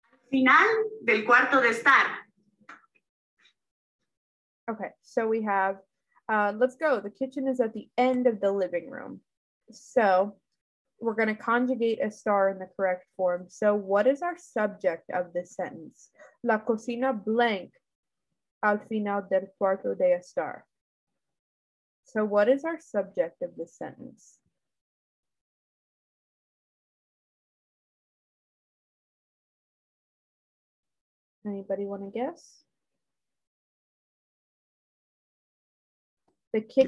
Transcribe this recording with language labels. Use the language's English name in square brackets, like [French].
[Spanish] Final del cuarto de estar. [English] Okay, so we have, let's go. The kitchen is at the end of the living room. So we're going to conjugate a star in the correct form. So what is our subject of this sentence? [Spanish] La cocina [English] blank [Spanish] al final del cuarto de estar. [English] So what is our subject of this sentence? Anybody want to guess? The kitchen.